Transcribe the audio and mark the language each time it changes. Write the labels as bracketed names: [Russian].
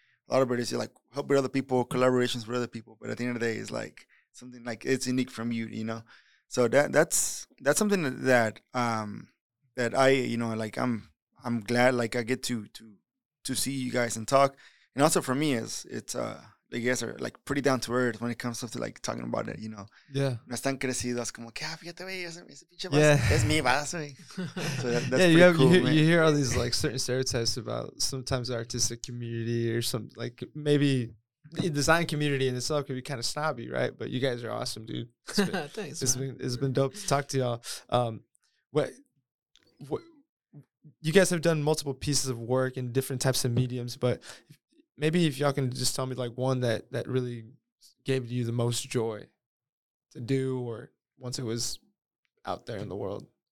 [English] A lot of it is you like help with other people, collaborations with other people, but at the end of the day, it's like something like it's unique from you, you know. So that's something that I, you know, like I'm glad like I get to see you guys and talk, and also for me it's you guys are like pretty down to earth when it comes up to like talking about it, you know. Yeah. [Spanish] No están crecidos como que, fíjate, güey, ese pinche bus, es mi bus. [English] So you hear all these like certain stereotypes about sometimes the artistic community or some like maybe the design community in itself can be kind of snobby, right? But you guys are awesome, dude. It's been dope to talk to y'all. What you guys have done multiple pieces of work in different types of mediums, but maybe if y'all can just tell me like one that really gave you the most joy to do, or once it was out there in the world.